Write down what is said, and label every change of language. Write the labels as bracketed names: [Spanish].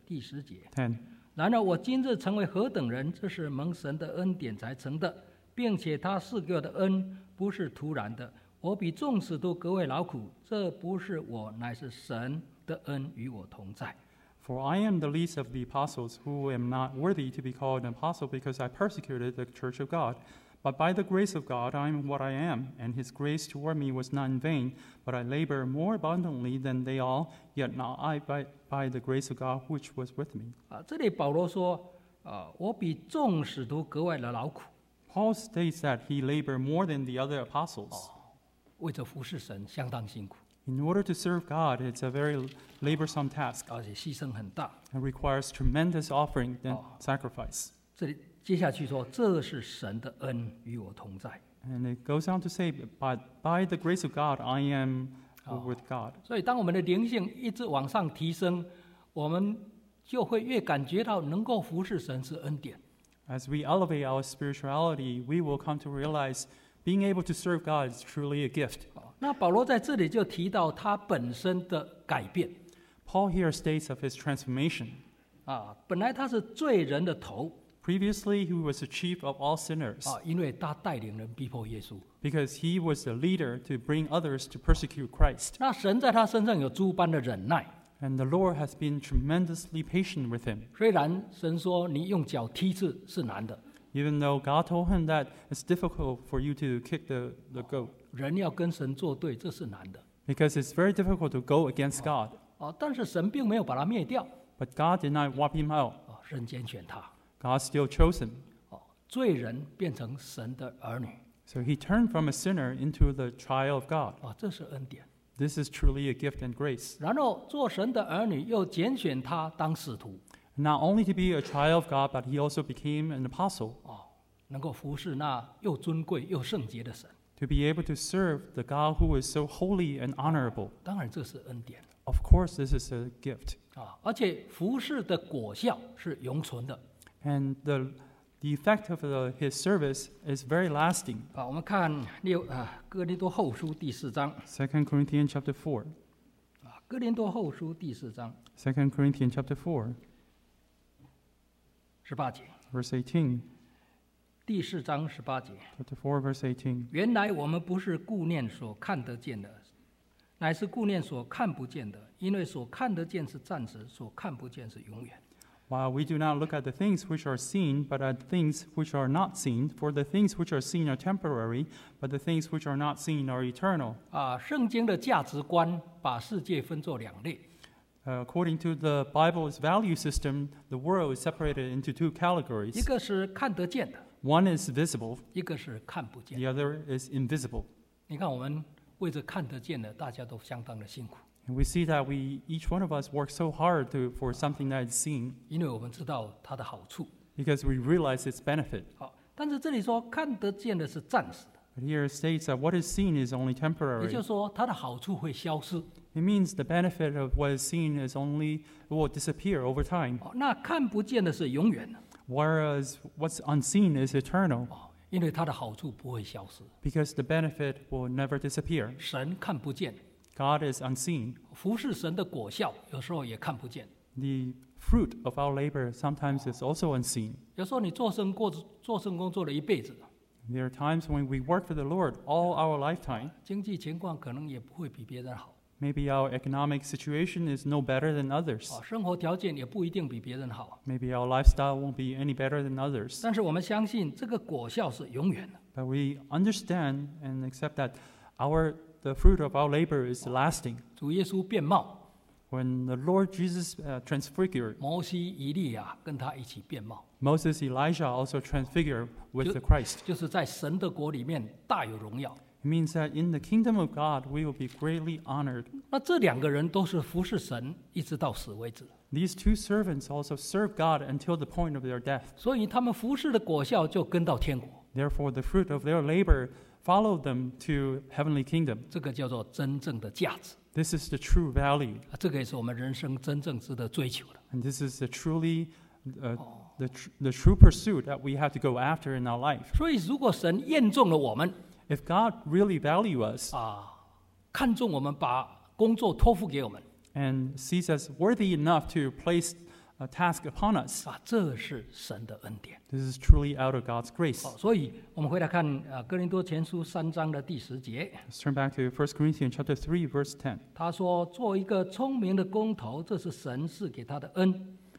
[Chinese] 第十节。 [English] Ten. [Chinese] 然而我今日成为何等人，这是蒙神的恩典才成的，并且他赐给我的恩不是突然的。我比众使徒格外劳苦，这不是我，乃是神的恩与我同在。 [English] For I am the least of the apostles, who am not worthy to be called an apostle, because I persecuted the church of God. But by the grace of God, I am what I am, and his grace toward me was not in vain, but I labor more abundantly than they all, yet not I, but by the grace of God, which was with me. [Chinese] 这里保罗说，我比众使徒格外的劳苦。 [English] Paul states that he labored more than the other apostles. [Chinese] 为着服事神相当辛苦。 [English] In order to serve God, it's a very laborsome task. [Chinese] 而且牺牲很大。 [English] It requires tremendous offering and sacrifice. [Chinese] 这里接下去说，这是神的恩与我同在。 [English] And it goes on to say, by the grace of God, I am with God. [Chinese] 所以，当我们的灵性一直往上提升，我们就会越感觉到能够服事神是恩典。 [English] As we elevate our spirituality, we will come to realize being able to serve God is truly a gift. [Chinese] 那保罗在这里就提到他本身的改变。 [English] Paul here states of his transformation. [Chinese] 啊，本来他是罪人的头。 [English] Previously, he was the chief of all sinners. [Chinese] 啊，因为他带领人逼迫耶稣。 [English] Because he was the leader to bring others to persecute Christ. [Chinese] 那神在他身上有诸般的忍耐。 [English] And the Lord has been tremendously patient with him. [Chinese] 虽然神说你用脚踢刺是难的。 [English] Even though God told him that it's difficult for you to kick the goat. [Chinese] 人要跟神作对，这是难的。 [English] Because it's very difficult to go against God. [Chinese] 哦，但是神并没有把他灭掉。 [English] But God did not wipe him out. [Chinese] 哦，神拣选他。 [English] God still chose him. [Chinese] 哦，罪人变成神的儿女。 [English] So he turned from a sinner into the child of God. [Chinese] 哦，这是恩典。 [English] This is truly a gift and grace. [Chinese] 然后做神的儿女，又拣选他当使徒。 [English] Not only to be a child of God, but he also became an apostle. [Chinese] 哦，能够服侍那又尊贵又圣洁的神。 [English] To be able to serve the God who is so holy and honorable. [Chinese] 当然这是恩典。 [English] Of course, this is a gift. [Chinese] 啊，而且服侍的果效是永存的。 [English] And the effect of his service is very lasting. [Chinese] 啊，我们看哥林多后书第四章。 [English] Second Corinthians chapter 4. [Chinese] 啊，哥林多后书第四章。 [English] Second Corinthians chapter 4. [Chinese] 十八节。 [English] Verse 18. [Chinese] 第四章十八节。 [English] Chapter 4, verse 18. [Chinese] 原来我们不是顾念所看得见的，乃是顾念所看不见的，因为所看得见是暂时，所看不见是永远。 [English] While we do not look at the things which are seen, but at things which are not seen, for the things which are seen are temporary, but the things which are not seen are eternal. [Chinese] 啊，圣经的价值观把世界分作两类。 [English] According to the Bible's value system, the world is separated into two categories. [Chinese] 一个是看得见的。 [English] One is visible, [Chinese] 一个是看不见。 [English] The other is invisible. [Chinese] 你看我们为着看得见的，大家都相当的辛苦。 [English] And we see that we each one of us work so hard to for something that is seen. [Chinese] 因为我们知道它的好处。 [English] Because we realize its benefit. [Chinese] 好，但是这里说看得见的是暂时的。 [English] But here it states that what is seen is only temporary. [Chinese] 也就是说，它的好处会消失。 [English] It means the benefit of what is seen is only will disappear over time. [Chinese] 好，那看不见的是永远的。 [English] Whereas what's unseen is eternal. [Chinese] 因为它的好处不会消失。 [English] Because the benefit will never disappear. [Chinese] 神看不见。 [English] God is unseen. [Chinese] 服侍神的果效有时候也看不见。 [English] The fruit of our labor sometimes is also unseen. [Chinese] 有时候你做圣工做了一辈子。 [English] There are times when we work for the Lord all our lifetime. [Chinese] 经济情况可能也不会比别人好。 [English] Maybe our economic situation is no better than others. [Chinese] 生活条件也不一定比别人好。 [English] Maybe our lifestyle won't be any better than others. [Chinese] 但是我们相信这个果效是永远的。 [English] But we understand and accept that the fruit of our labor is lasting. [Chinese] 主耶稣变貌。 [English] When the Lord Jesus transfigured. [Chinese] 摩西、以利亚跟他一起变貌。 [English] Moses, Elijah also transfigured with the Christ. [Chinese] 就是在神的国里面大有荣耀。 [English] It means that in the kingdom of God, we will be greatly honored. [Chinese] 那这两个人都是服侍神一直到死为止。 [English] These two servants also serve God until the point of their death. [Chinese] 所以他们服侍的果效就跟到天国。 [English] Therefore, the fruit of their labor followed them to heavenly kingdom. [Chinese] 这个叫做真正的价值。 [English] This is the true value. [Chinese] 这个也是我们人生真正值得追求的。 [English] And this is the truly, the true pursuit that we have to go after in our life. [Chinese] 所以如果神验中了我们。 [English] If God really values us, [Chinese] 看中我们把工作托付给我们 [English] and sees us worthy enough to place a task upon us, [Chinese] 这是神的恩典。 [English] This is truly out of God's grace. [Chinese] 所以我们回来看哥林多前书三章的第十节。 [English] Let's turn back to 1 Corinthians chapter 3, verse 10. [Chinese] 他说，做一个聪明的工头，这是神赐给他的恩。